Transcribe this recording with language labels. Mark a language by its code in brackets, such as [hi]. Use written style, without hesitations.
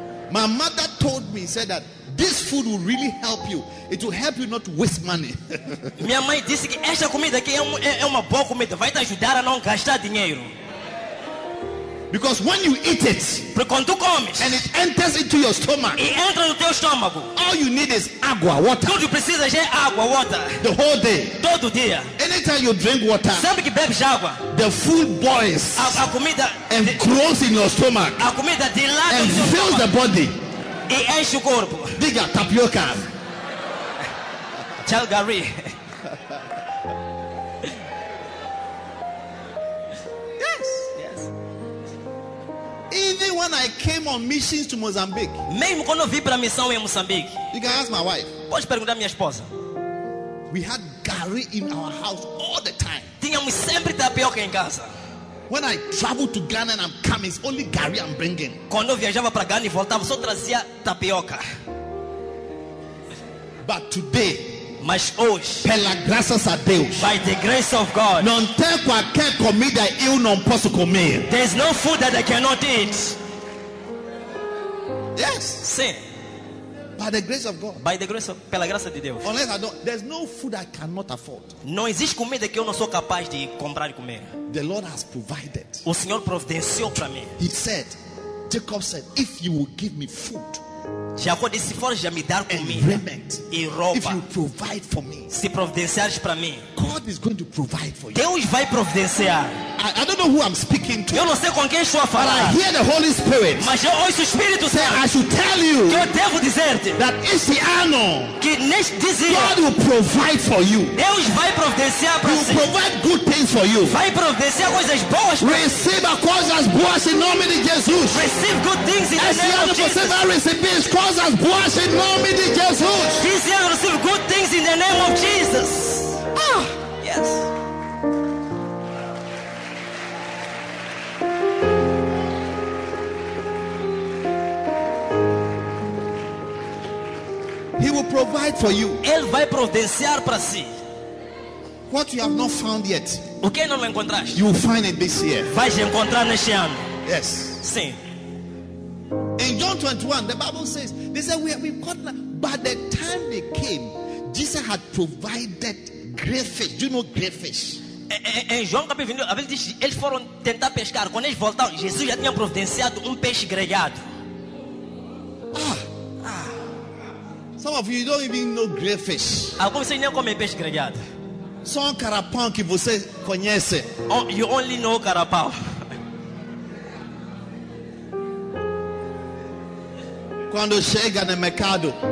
[en] My mother told me, said that this food will really help you. It will help you not to waste money. [pt] Minha mãe disse que esta comida aqui é uma boa comida, vai te ajudar a não gastar dinheiro. [en] Because when you eat it, [pt] porque quando tu comes, [en] and it enters into your stomach, [pt] e entra no teu estômago, [en] all you need is água, water. [pt] Tudo que precisas é água, water. [en] The whole day, [pt] todo dia. [en] Anytime you drink water, [pt] sempre que bebes água, [en] the food boils, [pt] a comida, [en] and grows in your stomach, [pt] a comida dilata, [en] and fills the body. [pt] E enche o corpo. Diga tapioca. [en] Tell Gary. Yes. Yes. Even when I came on missions to Mozambique. [pt] Mesmo quando eu vim para a missão em Moçambique. [en] You can ask my wife. [pt] Pode perguntar à minha esposa. [en] We had Gary in our house all the time. [pt] Tínhamos sempre tapioca em casa. [en] When I travel to Ghana and I'm coming, it's only gari I'm bringing. [pt] Quando viajava para Ghana e voltava, só trazia tapioca. [en] But today, [pt] mas hoje, pela graças a Deus, [en] by the grace of God, [pt] não tem qualquer comida eu não posso comer. [en] There's no food that I cannot eat. Yes. [pt] Sim. [en] By the grace of God. By the grace of, [pt] pela graça de Deus. [en] Unless I don't, there's no food I cannot afford. [pt] Não existe comida que eu não sou capaz de comprar e comer. [en] The Lord has provided. [pt] O Senhor providenciou para mim. [en] He said, Jacob said, if you will give me food, [pt] Jacó disse, se for já me dar comida, [en] raiment, [pt] e roupa, [en] if you provide for me, [pt] se providenciares para mim, [en] God is going to provide for you. [pt] Deus vai providenciar. [en] I don't know who I'm speaking to. [pt] Eu não sei com quem estou a falar. [en] But I hear the Holy Spirit. [pt] Mas eu ouço o Espírito Santo. [en] I should tell you [pt] que eu devo dizer that este ano, que neste dia, [en] God will provide for you. [pt] Deus vai providenciar para você. [en] He will provide good things for you. [pt] Vai providenciar coisas boas. Receba coisas boas em nome de Jesus. [en] Receive good things in the name of Jesus. [pt] Este ano você vai receber coisas boas em nome de Jesus. [en] This year receive good things in the name of Jesus. Ah, yes. He will provide for you. [pt] Ele vai providenciar para si. [en] What you have not found yet, [pt] o que não encontraste, [en] you will find it this year. [pt] Vai encontrar neste ano. [en] Yes. [pt] Sim. [en] In John 21, the Bible says, they said we've got that. By the time they came, Jesus had provided great fish. Do you know great fish? [pt] Em João capítulo 21, a Bíblia diz que eles foram tentar pescar. Quando eles voltaram, Jesus já tinha providenciado peixe grelhado. [en] Some of you don't even know great fish. [pt] Alguns vocês nem comem peixe grelhado. Só um carapau que você conhece. [en] Oh, you only know carapau. [pt] Quando chega no mercado,